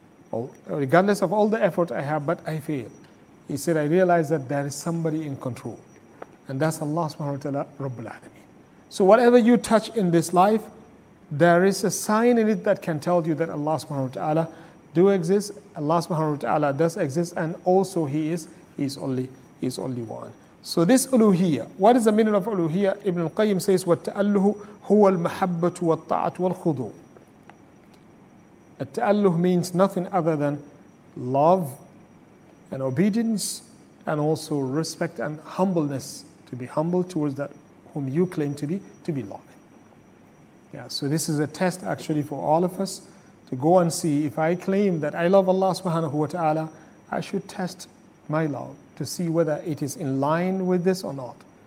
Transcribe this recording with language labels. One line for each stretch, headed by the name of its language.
English: Well, regardless of all the effort I have, but I fail. He said, I realize that there is somebody in control, and that's Allah subhanahu wa ta'ala, Rabbul Alameen. So whatever you touch in this life, there is a sign in it that can tell you that Allah subhanahu wa ta'ala do exist, Allah subhanahu wa ta'ala does exist, and also he is only one. So this uluhiyya, what is the meaning of uluhiyya? Ibn al-Qayyim says,
Arabic: وَالتَّأَلُّهُ هُوَ الْمَحَبَّةُ وَالطَّاعَةُ وَالْخُضُوعُ.
English: التَّأَلُّهُ means nothing other than love and obedience, and also respect and humbleness, to be humble towards that whom you claim to be loving. Yeah, so this is a test actually for all of us, to go and see if I claim that I love Allah subhanahu wa ta'ala, I should test my love to see whether it is in line with this or not.